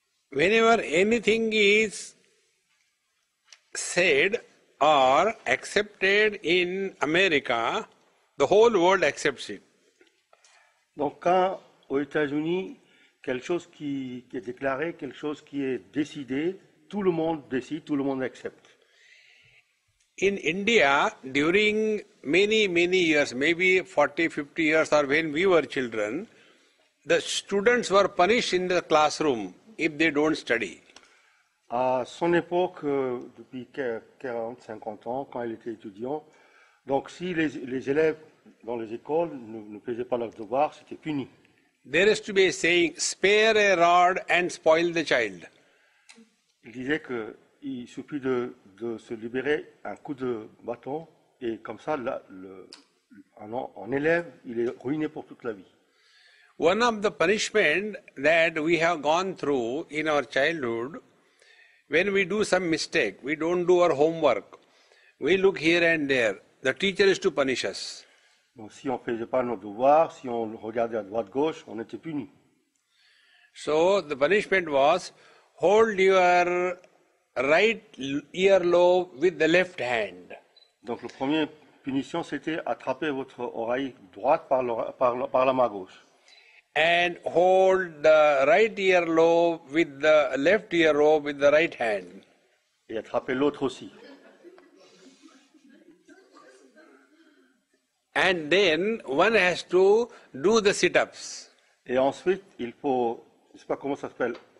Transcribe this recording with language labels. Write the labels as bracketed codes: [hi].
[en] Whenever anything is said or accepted in America, the whole world accepts it. [fr] Donc quand aux États-Unis quelque chose qui est déclaré, quelque chose qui est décidé, tout le monde décide, tout le monde accepte. [en] In India, during many, many years, maybe 40, 50 years or when we were children, the students were punished in the classroom if they don't study. [fr] À son époque, depuis 40, 50 ans, quand elle était étudiant, donc si les élèves dans les écoles ne faisaient pas leurs devoirs, c'était puni. [en] There is to be a saying, spare a rod and spoil the child. [fr] Il disait que il suffit de se libérer un coup de bâton et comme ça là, un élève il est ruiné pour toute la vie. [en] One of the punishment that we have gone through in our childhood, when we do some mistake, we don't do our homework, we look here and there, the teacher is to punish us. [fr] Donc si on faisait pas nos devoirs, si on regardait à droite gauche, on était puni. [en] So the punishment was, hold your right earlobe with the left hand. [fr] Donc la première punition c'était attraper votre oreille droite par la main gauche. [en] And hold the right earlobe with the left earlobe with the right hand. [fr] Et attraper l'autre aussi. [en] And then one has to do the sit-ups. [fr] Et ensuite il faut, je sais pas comment ça s'appelle.